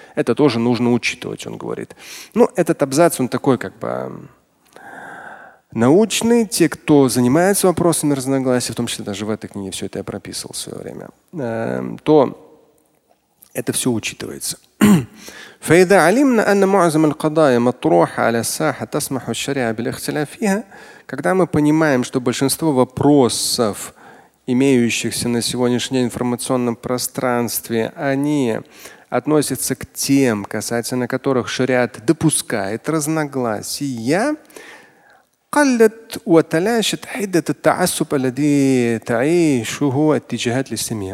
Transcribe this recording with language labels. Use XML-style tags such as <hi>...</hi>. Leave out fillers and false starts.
<ru>Это тоже нужно учитывать, он говорит. Ну, этот абзац, он такой как бы научный. Те, кто занимается вопросами разногласий, в том числе даже в этой книге, все это я прописывал в свое время, то это все учитывается.</ru> <ar>فإذا علمنا أن معظم القضايا مطروحة على الساحة تسمح الشريعة بالاختلاف فيها,</ar> <ru>когда мы понимаем, что большинство вопросов, имеющихся на сегодняшнем информационном пространстве, они относятся к тем, касательно которых шариат допускает разногласия,</ru> <ar>قلت وتلاشت حدة التعصب الذي تعيشه اتجاهات للسمية.</ar>